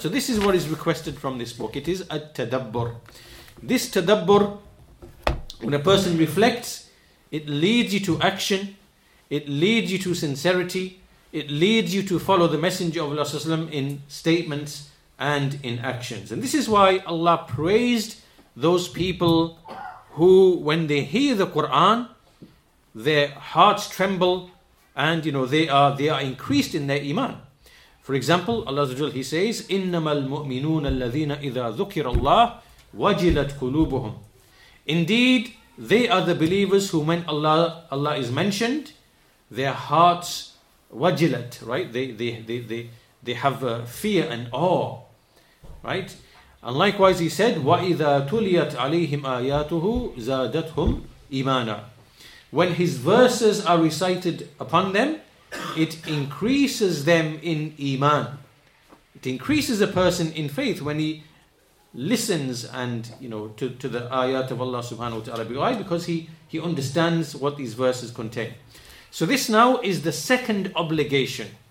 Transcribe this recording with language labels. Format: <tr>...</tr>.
<en>So this is what is requested from this book. It is at-tadabbur. This tadabbur, when a person reflects, it leads you to action, it leads you to sincerity, it leads you to follow the Messenger of Allah in statements and in actions. And this is why Allah praised those people who, when they hear the Quran, their hearts tremble, and you know, they are increased in their iman. For example, Allah, He says,</en> <ar>إِنَّمَا الْمُؤْمِنُونَ الَّذِينَ إِذَا ذُكِرَ اللَّهِ وَجِلَتْ قُلُوبُهُمْ.</ar> <en>Indeed, they are the believers who, when Allah is mentioned, their hearts wajilat, right? They have fear and awe, right? And likewise, he said,</en> <ar>وَإِذَا تُلِيَتْ عَلَيْهِمْ آيَاتُهُ زَادَتْهُمْ إِيمَانًا.</ar> <en>When his verses are recited upon them, it increases them in iman. It increases a person in faith when he listens and, you know, to the ayat of Allah subhanahu wa ta'ala. Why? Because he understands what these verses contain. So this now is the second obligation.</en>